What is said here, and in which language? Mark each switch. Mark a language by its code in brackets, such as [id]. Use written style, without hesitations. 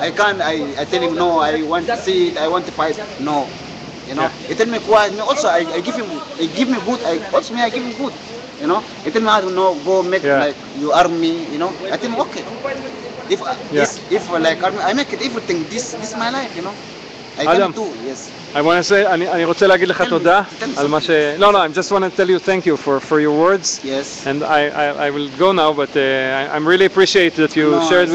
[en] I can't, I tell him, no, I want to see it, I want to fight. No, you know. Yeah. He tell me quiet, me also, I give him food, you know. He tell me, I don't know, go make like your army, you know. I tell him, okay. If if like army, I make it everything, this is my life, you know. I Adam, can do, yes. I want to say, [he] אני רוצה להגיד לך תודה על מה ש... [en] No, no, I just want to tell you thank you for your words. Yes. And I will go now, but I'm really appreciate that you shared with